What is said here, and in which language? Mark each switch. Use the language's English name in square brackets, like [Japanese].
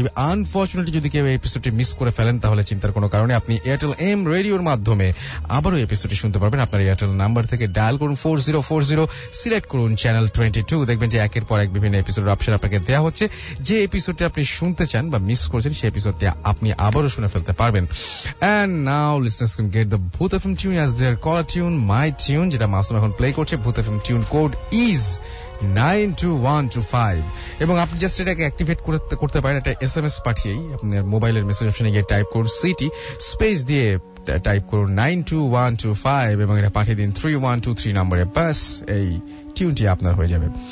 [Bangla] Unfortunately যদি কেউ এপিসোডটি miss করে ফেলেন তাহলে চিন্তার কোন কারণে আপনি এয়ারটেল এম রেডিওর মাধ্যমে আবারও এপিসোডটি শুনতে পারবেন। আপনার এয়ারটেল নাম্বার থেকে ডায়াল করুন 4040, সিলেক্ট করুন চ্যানেল 22, দেখবেন যে একের পর এক বিভিন্ন এপিসোডের অপশন আপনাকে দেওয়া হচ্ছে, যে এপিসোডটি আপনি শুনতে চান বা মিস করেছেন সেই এপিসোডটি আপনি আবারও শুনে ফেলতে পারবেন। [English] And now listeners can get the Bhoot FM tune as their call tune, my tune, [Bangla] যেটা মাসুম এখন প্লে করছে। [English] Bhoot FM tune code is 92125, [Bangla] এবং আপনি জাস্ট এটাকে অ্যাক্টিভেট করতে পারেন একটা SMS পাঠিয়েই। আপনার মোবাইলের মেসেজ অপশনে গিয়ে টাইপ করুন সিটি স্পেস দিয়ে টাইপ করুন 92125, এবং এটা পাঠিয়ে দিন 3123 নম্বরে, ব্যাস এই টিউনটি আপনার হয়ে যাবে।